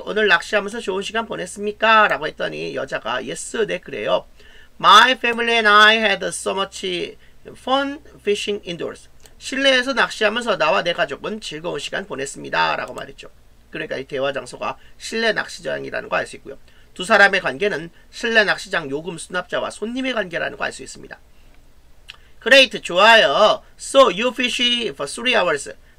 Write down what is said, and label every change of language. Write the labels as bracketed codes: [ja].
[ko] 오늘 낚시하면서 좋은 시간 보냈습니까? 라고 했더니 여자가 [en] yes, [ko] 네, 그래요. [en] My family and I had so much fun fishing indoors. [ko] 실내에서 낚시하면서 나와 내 가족은 즐거운 시간 보냈습니다. 라고 말했죠. 그러니까 이 대화 장소가 실내 낚시장이라는 거 알 수 있고요. 두 사람의 관계는 실내 낚시장 요금 수납자와 손님의 관계라는 거 알 수 있습니다. [en] Great, [ko] 좋아요. [en] So you fish for 3 hours.